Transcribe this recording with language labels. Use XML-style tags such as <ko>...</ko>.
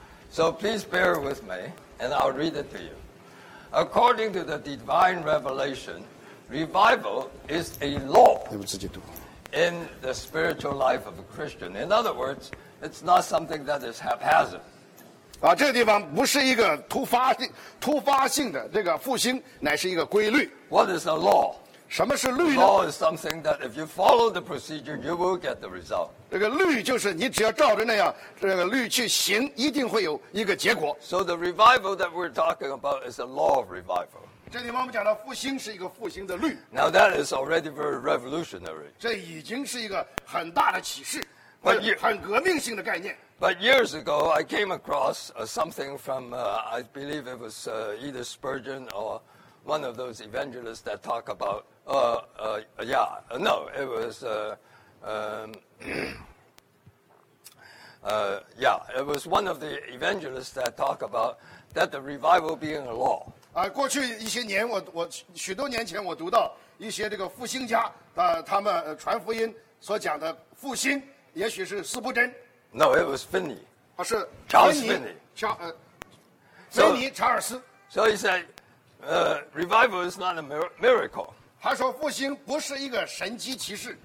<en>So please bear with me, and I'll read it to you. According to the divine revelation, revival is a law in the spiritual life of a Christian. In other words, it's not something that is haphazard.</en> <zh>啊，这个地方不是一个突发性的这个复兴，乃是一个规律。</zh> <en>What is a law?</en> <zh>什么是律呢</zh> <en>？Law is something that if you follow the procedure, you will get the result.</en> <zh>这个律就是你只要照着那样这个律去行，一定会有一个结果。</zh> <en>So the revival that we're talking about is a law of revival.</en> <zh>这里我们讲到复兴是一个复兴的律。</zh> <en>Now that is already very revolutionary.</en> <zh>这已经是一个很大的启示，很革命性的概念。</zh> <en>But years ago, I came across something from I believe it was either Spurgeon or. One of those evangelists that talk about, it was one of the evangelists that talk about that the revival being a law.</en> <zh>啊，过去一些年，我许多年前我读到一些这个复兴家他们传福音所讲的复兴，也许是斯布真。</zh> <en>No, it was Finney.</en> <zh>啊，是</zh> <en>Charles Finney. Finney, Charles. So he said. Revival is not a miracle.</en> <zh>他说复兴不是一个神迹奇事。</zh>